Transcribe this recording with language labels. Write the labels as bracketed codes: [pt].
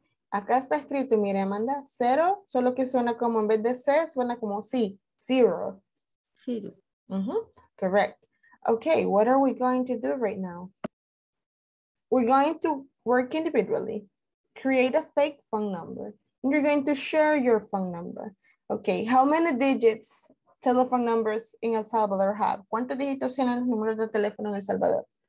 [es] Acá está escrito, mire, Amanda, cero, solo que suena como, en vez de C, suena como sí, zero. [en] Zero. Uh-huh. Correct. Ok, what are we going to do right now? We're going to work individually. Create a fake phone number. And you're going to share your phone number. Okay, how many digits telephone numbers in El Salvador have? [es] ¿Cuántos dígitos tienen los números de teléfono en El Salvador?